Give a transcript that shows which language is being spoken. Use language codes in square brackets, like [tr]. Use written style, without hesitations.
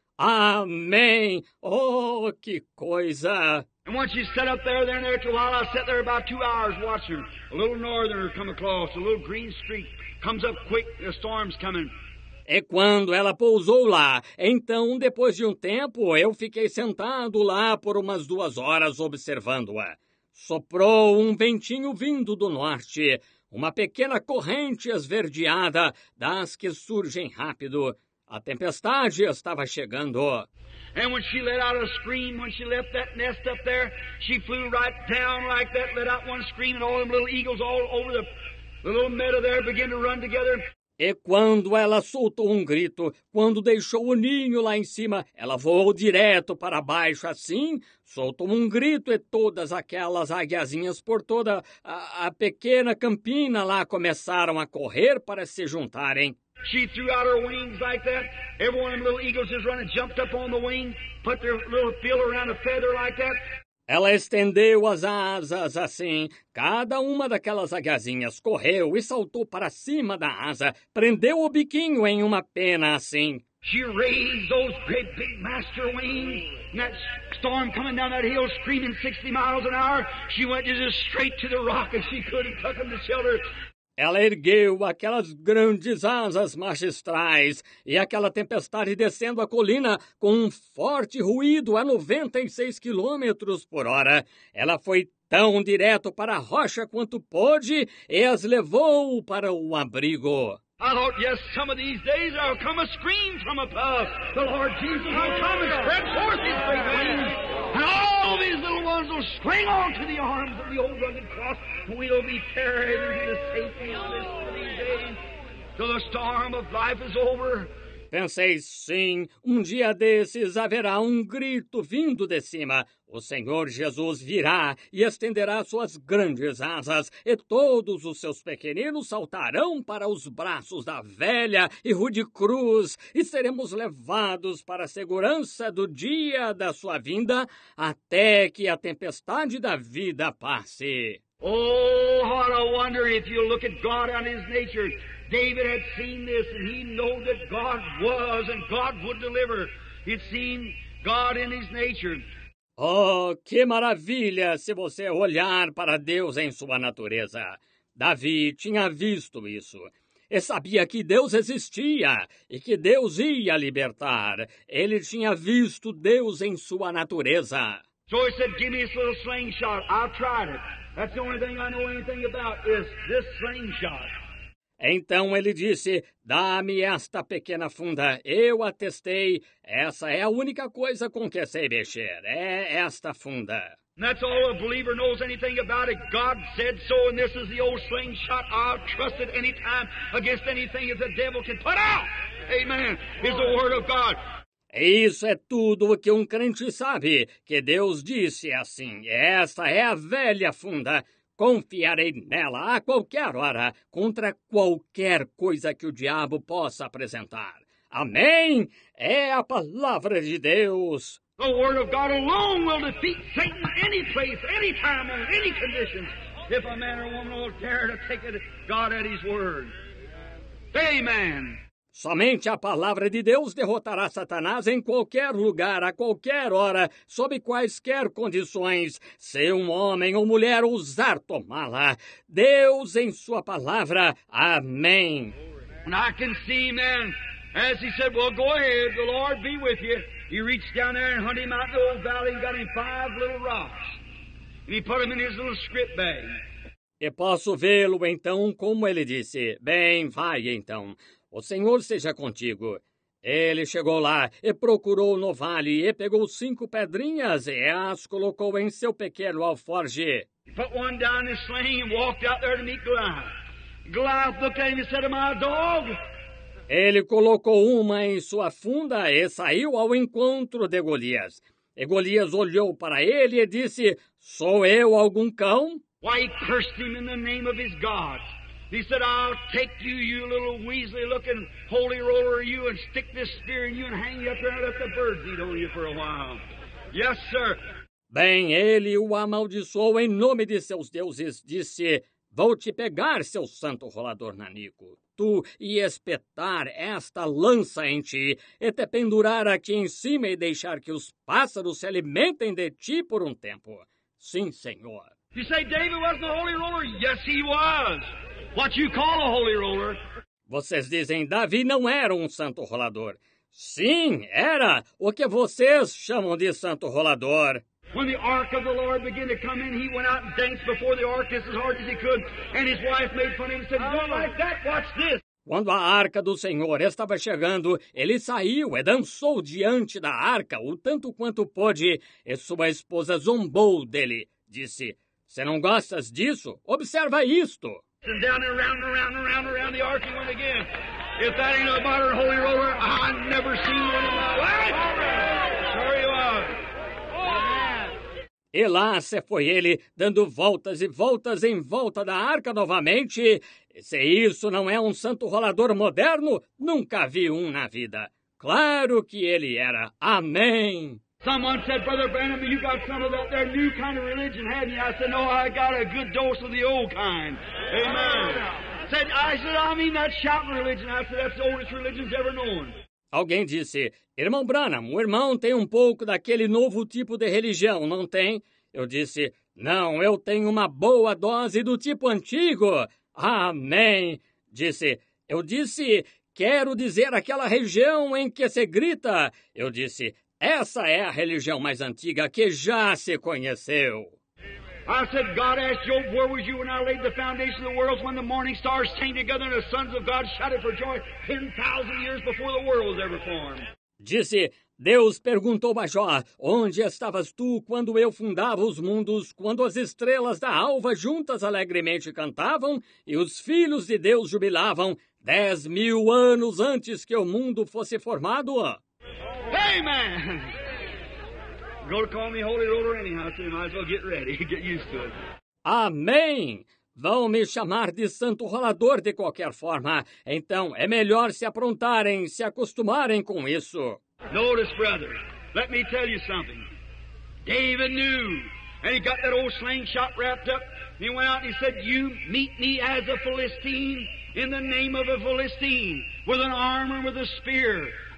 [pt] Amém! Oh, que coisa! [en] And once you set up there and there for a while, I sat there about 2 hours watching. A little northerner come across, a little green streak comes up quick, the storm's coming. [pt] E quando ela pousou lá, então, depois de um tempo, eu fiquei sentado lá por umas 2 horas observando-a. Soprou um ventinho vindo do norte, uma pequena corrente esverdeada das que surgem rápido. A tempestade estava chegando. [en] And when she let out a scream, when she left that nest up there, she flew right down like that, let out one scream, and all them little eagles all over the little meadow there began to run together. [pt] E quando ela soltou um grito, quando deixou o ninho lá em cima, ela voou direto para baixo assim, soltou um grito e todas aquelas aguiazinhas por toda a pequena campina lá começaram a correr para se juntarem. [en] She threw out her wings like that. Every one of them little eagles just running, jumped up on the wing, put their little bill around a feather like that. [pt] Ela estendeu as asas assim. Cada uma daquelas aguiazinhas correu e saltou para cima da asa. Prendeu o biquinho em uma pena assim. [en] She raised those great big master wings. And that storm coming down that hill screaming 60 miles an hour. She went just as straight to the rock as she could and took them to shelter. [pt] Ela ergueu aquelas grandes asas magistrais e aquela tempestade descendo a colina com um forte ruído a 96 quilômetros por hora. Ela foi tão direto para a rocha quanto pôde e as levou para o abrigo. [en] I thought, yes, some of these days I'll come a scream from above. The Lord Jesus will come and spread forth his great wings. And all these little ones will spring on to the arms of the old rugged cross. We'll be carried into the safety of this holy day. Till the storm of life is over. [pt] Pensei, sim, um dia desses haverá um grito vindo de cima. O Senhor Jesus virá e estenderá suas grandes asas, e todos os seus pequeninos saltarão para os braços da velha e rude cruz, e seremos levados para a segurança do dia da sua vinda, até que a tempestade da vida passe. [en] Oh, what a wonder if you look at God and his nature. David had seen this, and he knew that God was and God would deliver. He'd seen God in his nature. [pt] Oh, que maravilha se você olhar para Deus em sua natureza. Davi tinha visto isso. E sabia que Deus existia e que Deus ia libertar. Ele tinha visto Deus em sua natureza. [en] So he said, give me this little slingshot. I've tried it. That's the only thing I know anything about is this slingshot. [pt] Então ele disse, dá-me esta pequena funda. Eu a testei. Essa é a única coisa com que sei mexer. É esta funda. [en] And that's all a believer knows anything about it. God said so, and this is the old slingshot. I'll trust it any time against anything that the devil can put out. Amen. It's the word of God. [pt] Isso é tudo o que um crente sabe, que Deus disse assim. Esta é a velha funda. Confiarei nela a qualquer hora, contra qualquer coisa que o diabo possa apresentar. Amém? É a palavra de Deus. [en] The word of God alone will defeat Satan any place, any time, on any conditions, if a man or woman will dare to take God at his word. Amen. [pt] Somente a palavra de Deus derrotará Satanás em qualquer lugar, a qualquer hora, sob quaisquer condições, se um homem ou mulher ousar tomá-la. Deus em sua palavra. Amém. [en] And I can see, man, as he said, well, go ahead, the Lord be with you. He reached down there and hunted him out in the old valley and got him 5 little rocks. And he put them in his little script bag. [pt] E posso vê-lo, então, como ele disse. Bem, vai, então. O Senhor seja contigo. Ele chegou lá e procurou no vale e pegou 5 pedrinhas e as colocou em seu pequeno alforje. [en] Put one down in the sling and walked out there to meet Goliath. Goliath looked at him and said, am I a dog? [pt] Ele colocou uma em sua funda e saiu ao encontro de Golias. E Golias olhou para ele e disse, sou eu algum cão? [en] Why he cursed him in the name of his God. He said, I'll take you, you little weasley-looking holy roller, you, and stick this spear in you and hang you up there and let the birds eat on you for a while. Yes, sir. [pt] Bem, ele o amaldiçoou em nome de seus deuses, disse, vou te pegar, seu santo rolador nanico, tu, e espetar esta lança em ti, e te pendurar aqui em cima e deixar que os pássaros se alimentem de ti por um tempo. Sim, senhor. [en] You say David was the holy roller? Yes, he was. What you call a holy roller? [pt] Vocês dizem, Davi não era um santo rolador. Sim, era o que vocês chamam de santo rolador. [en] When the ark of the Lord began to come in, he went out and danced before the ark just as hard as he could. And his wife made fun of him and said, you don't like that? Watch this. [pt] Quando a arca do Senhor estava chegando, ele saiu e dançou diante da arca o tanto quanto pôde. E sua esposa zombou dele. Disse, se não gostas disso, observa isto. [en] And down and around and around and around, around the ark he went again. If that ain't a modern holy roller, I've never seen one in my life. Sure you are. [pt] E lá se foi ele, dando voltas e voltas em volta da arca novamente. E se isso não é um santo rolador moderno, nunca vi um na vida. Claro que ele era. Amém. [en] Someone said, Brother Branham, you got some of that there new kind of religion, haven't you? I said, no, I got a good dose of the old kind. Amen. I mean that shouting religion. I said, that's the oldest religion ever known. [pt] Alguém disse, irmão Branham, o irmão tem um pouco daquele novo tipo de religião, não tem? Eu disse, não, eu tenho uma boa dose do tipo antigo. Amém. Eu disse, quero dizer aquela região em que se grita. Eu disse, essa é a religião mais antiga que já se conheceu. [en] I said, God asked Job, where was you when I laid the foundation of the world when the morning stars came together and the sons of God shouted for joy 10,000 years before the world was ever formed. [pt] Disse, Deus perguntou a Jó, onde estavas tu quando eu fundava os mundos, quando as estrelas da alva juntas alegremente cantavam e os filhos de Deus jubilavam 10,000 anos antes que o mundo fosse formado? [en] Amen! Go to call me Holy Roller anyhow, so you might as well get ready, get used to it. [pt] Amém! Vão me chamar de Santo Rolador de qualquer forma. Então, é melhor se aprontarem, se acostumarem com isso. [en] Notice, brother, let me tell you something. David knew, and he got that old slingshot wrapped up. He went out and he said, you meet me as a Philistine, in the name of a Philistine, with an armor, with a spear.